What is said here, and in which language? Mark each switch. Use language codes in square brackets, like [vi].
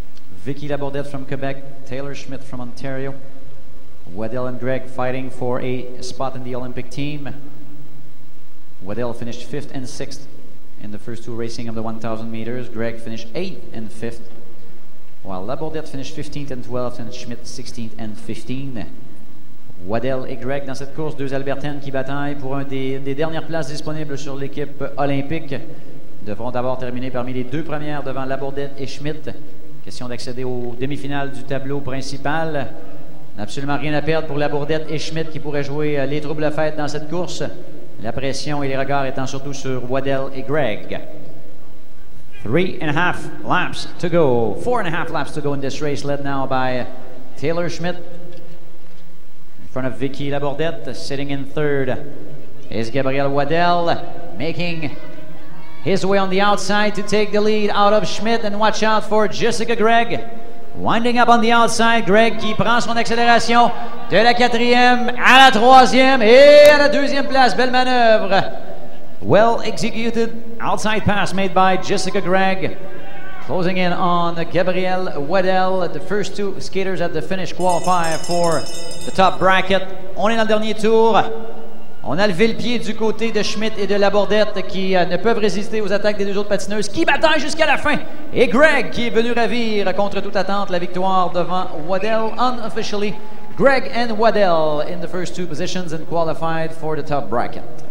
[en] Vicky Labordette from Quebec, Taylor Schmidt from Ontario. Waddell and Gregg fighting for a spot in the Olympic team. Waddell finished 5th and 6th in the first two racing of the 1,000 meters. Gregg finished 8th and 5th, while Labordette finished 15th and 12th, and Schmidt 16th and 15th. [fr] Waddell et Gregg dans cette course, deux Albertaines qui bataillent pour une des dernières places disponibles sur l'équipe olympique. Devront d'abord terminer parmi les deux premières devant Labordette et Schmidt. Question d'accéder aux demi-finales du tableau principal. Absolument rien à perdre pour Labordette et Schmidt qui pourraient jouer les troubles fêtes dans cette course. La pression et les regards étant surtout sur Waddell et Gregg. [en] Three and a half laps to go. Four and a half laps to go in this race, led now by Taylor Schmidt. In front of Vicky Labordette, sitting in third, is Gabriel Waddell making his way on the outside to take the lead out of Schmidt. And watch out for Jessica Gregg, winding up on the outside. [fr] Gregg qui prend son accélération de la quatrième à la troisième et à la deuxième place. Belle manœuvre. [en] Well executed outside pass made by Jessica Gregg. Closing in on Gabrielle Waddell, the first two skaters at the finish qualify for the top bracket. [fr] On est dans le dernier tour. On a levé le pied du côté de Schmidt et de Labordette qui ne peuvent résister aux attaques des deux autres patineuses qui bataillent jusqu'à la fin. Et Greg qui est venu ravir contre toute attente la victoire devant Waddell. [en] Unofficially, Greg and Waddell in the first two positions and qualified for the top bracket.